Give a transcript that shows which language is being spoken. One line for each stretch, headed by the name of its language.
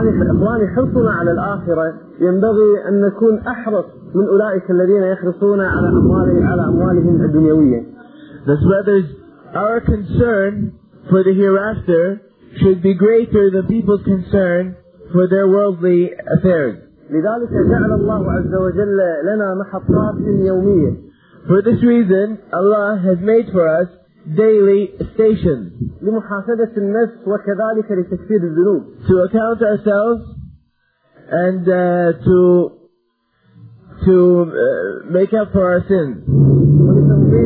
Arabic: إخواني حرصنا على الآخرة ينبغي أن نكون أحرص من أولئك الذين يحرصون على أموالهم الدنيوية.
English: Thus, brothers, our concern for the hereafter should be greater than people's concern for their worldly affairs.
Arabic: لذلك جعل الله عز وجل لنا محطات يومية.
English: For this reason, Allah has made for us daily stations.
Arabic: لمحاسبة النفس وكذلك لتكفير الذنوب.
English: To account ourselves and to make up for our sins.